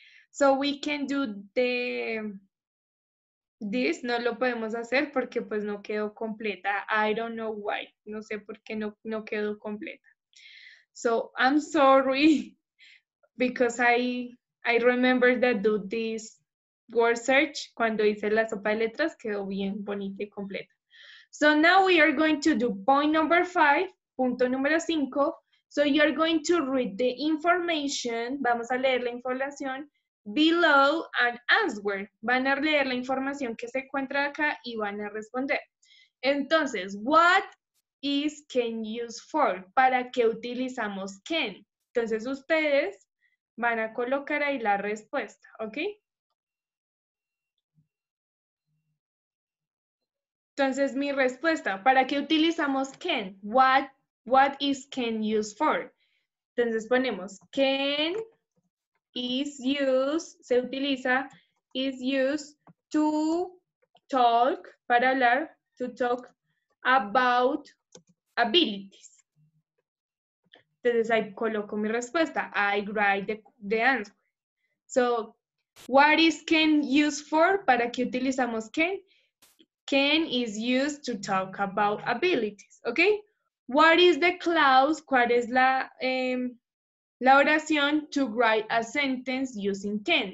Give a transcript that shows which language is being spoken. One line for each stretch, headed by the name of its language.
English: So we can do this,
Spanish: no lo podemos hacer porque pues no quedó completa.
English: I don't know why.
Spanish: No sé por qué no quedó completa.
English: So, I'm sorry because I remember that do this word search.
Spanish: Cuando hice la sopa de letras quedó bien bonita y completa.
English: So, now we are going to do point number 5,
Spanish: punto número 5.
English: So, you are going to read the information.
Spanish: Vamos a leer la información.
English: Below and answer.
Spanish: Van a leer la información que se encuentra acá y van a responder.
English: Entonces, what is can used for?
Spanish: ¿Para qué utilizamos can? Entonces, ustedes van a colocar ahí la respuesta, ¿ok? Entonces, mi respuesta, ¿para qué utilizamos can?
English: What is can used for?
Spanish: Entonces, ponemos can...
English: is used to talk,
Spanish: para hablar,
English: to talk about abilities.
Spanish: Entonces, ahí coloco mi respuesta.
English: I write the answer. So, what is can used for?
Spanish: ¿Para qué utilizamos can?
English: Can is used to talk about abilities, okay? What is the clause?
Spanish: ¿Cuál es la, la oración
English: to write a sentence using can?